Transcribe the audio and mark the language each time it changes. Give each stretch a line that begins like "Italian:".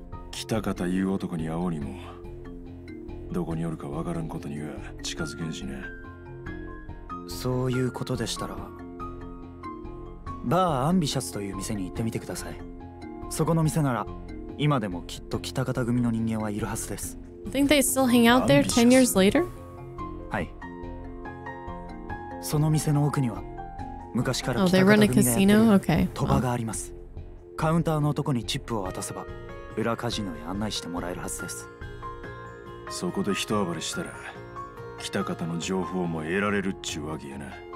Japanese: 北方いう男に会おうにも、どこにおるかわからんことには近づけんしね。そういうことでしたら、バーアンビシャスという店に行ってみてください。そこの店なら、今でもきっと北方組の人間はいるはずです。
English: I think they still hang out there 10 years later?
Japanese: はい。その店の奥には、昔から北方組がやっている賭場があります。カウンターの男にチップを渡せば、裏カジノへ案内してもらえるはずです。そこで一暴れしたら、北方の情報も得られるっちゅうわけやな。